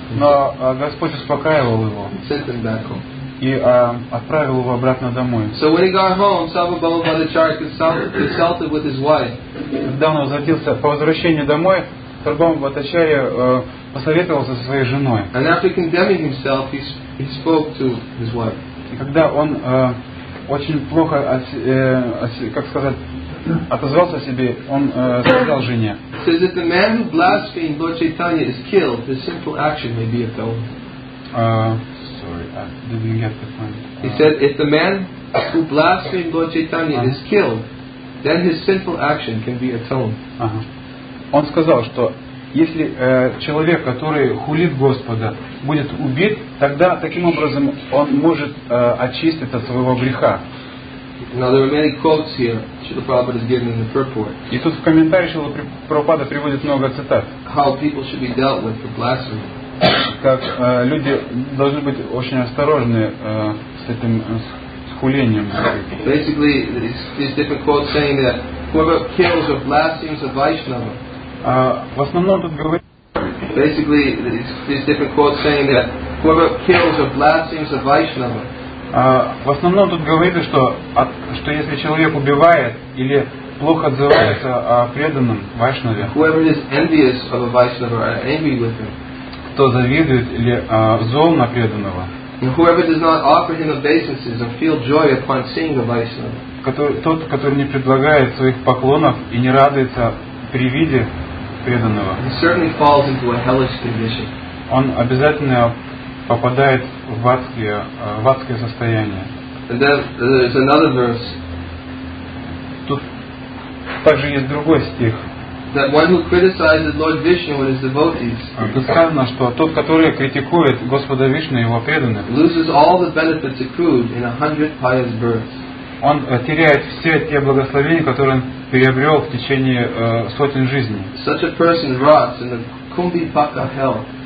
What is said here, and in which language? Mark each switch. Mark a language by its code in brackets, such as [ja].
[ru] Но Господь успокаивал его. [en] Sent him back home. [ru] И отправил его обратно домой. [en] So when he got home, Sāva Bhāma Bhattacharya consulted with his wife. [ru] Когда он возвратился по возвращению домой, Sāva Bhāma Bhattacharya посоветовался со своей женой. [en] And after condemning himself, he spoke to his wife. [ru] И когда он очень плохо, как сказать, отозвался о себе, он сказал жене. [en] Says that the man who blasphemed Lord Chaitanya is killed, his simple action may be a felony. Sorry, I didn't get the point. He said, if the man who blasphemed Lord Chaitanya is killed, then his simple action can be atoned. [ru] Он сказал, что если человек, который хулит Господа, будет убит, тогда таким образом он может очиститься от своего греха. [en] Now there are many quotes here. Srila Prabhupada is giving in the purport. [ru] И тут в комментариях Шрила Прабхупада приводит много цитат. [en] How people should be dealt with for blasphemy. [ru] Как люди должны быть очень осторожны с этим с хулением. [en] Basically, there's different quotes saying that whoever kills or blasphemes a Vaishnava. [ru] В основном тут говорит. [en] Basically, there's different quotes saying that whoever kills or blasphemes a Vaishnava. [ru] В основном тут говорится, что если человек убивает или плохо отзывается о преданном вайшнаве. [en] Whoever is envious of a Vaishnava, angry with him. [ru] Кто завидует или зол на преданного. [en] And whoever does not offer him obeisances or feel joy upon seeing a Vaishnava. [ru] Тот, который не предлагает своих поклонов и не радуется при виде преданного. [en] He certainly falls into a hellish condition. [ru] Он обязательно попадает в адское состояние. [en] And then there's another verse. [ru] Тут также есть другой стих. [en] That one who criticizes Lord Vishnu and his devotees. [ru] Тут сказано, что тот, который критикует Господа Вишну и его преданных, [en] loses all the benefits accrued in 100 pious births. [ru] Он теряет все те благословения, которые он приобрел в течение сотен жизней. [en] Such a person rots in the Kumbhipaka hell.